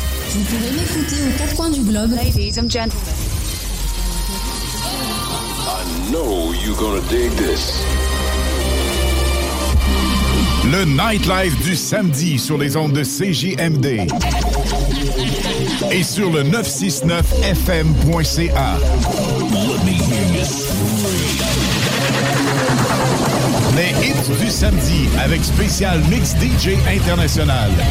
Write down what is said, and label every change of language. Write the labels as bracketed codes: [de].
[fr] Vous pouvez m'écouter aux quatre coins du globe. [en] Ladies and gentlemen, I know you're gonna dig this. [fr] Le nightlife du samedi sur les ondes de CJMD et sur le 969fm.ca. [en] Let me hear you. [fr] Les hits du samedi avec spécial mix DJ international.